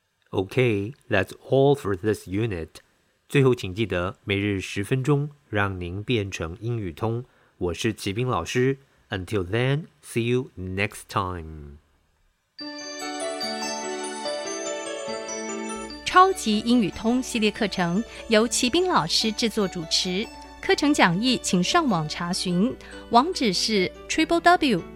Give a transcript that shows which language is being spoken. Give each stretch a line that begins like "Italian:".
English: Okay, that's all for this unit.
Chinese: 最后请记得每日十分钟让您变成英语通。我是齐斌老师。
English: Until then, see you next time.
Chinese: 超级英语通系列课程由齐斌老师制作主持，课程讲义请上网查询，网址是 www.ner.gov.tw。